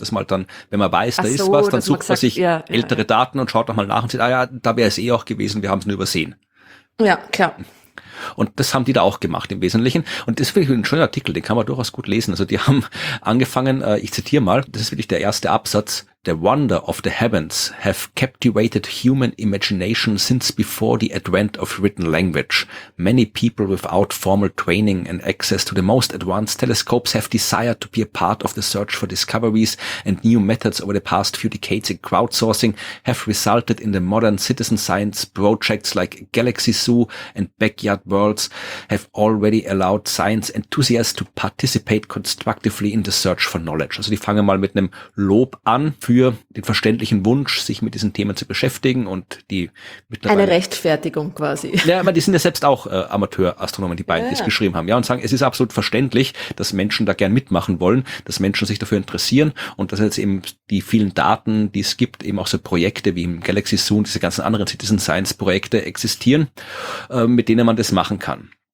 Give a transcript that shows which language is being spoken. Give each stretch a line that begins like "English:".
German: Dass man halt dann, wenn man weiß, da ist was, dann sucht man sich ältere Daten und schaut nochmal nach und sieht, ah ja, da wäre es eh auch gewesen, wir haben es nur übersehen. Ja, klar. Und das haben die da auch gemacht im Wesentlichen. Und das ist wirklich ein schöner Artikel, den kann man durchaus gut lesen. Also die haben angefangen, ich zitiere mal, das ist wirklich der erste Absatz.
English: The wonder of the heavens have captivated human imagination since before the advent of written language. Many people without formal training and access to the most advanced telescopes have desired to be a part of the search for discoveries and new methods over the past few decades in crowdsourcing have resulted in the modern citizen science projects like Galaxy Zoo and Backyard Worlds have already allowed science enthusiasts to participate constructively in the search for knowledge.
German: Also die fangen mal mit einem Lob an für den verständlichen Wunsch, sich mit diesen Themen zu beschäftigen und die mittlerweile eine Rechtfertigung quasi. Ja, aber die sind ja selbst auch Amateurastronomen, die beiden, die es geschrieben haben. Ja, und sagen, es ist absolut verständlich, dass Menschen da gern mitmachen wollen, dass Menschen sich dafür interessieren und dass jetzt eben die vielen Daten, die es gibt, eben auch so Projekte wie im Galaxy Zoo und diese ganzen anderen Citizen Science Projekte existieren, mit denen man das machen kann.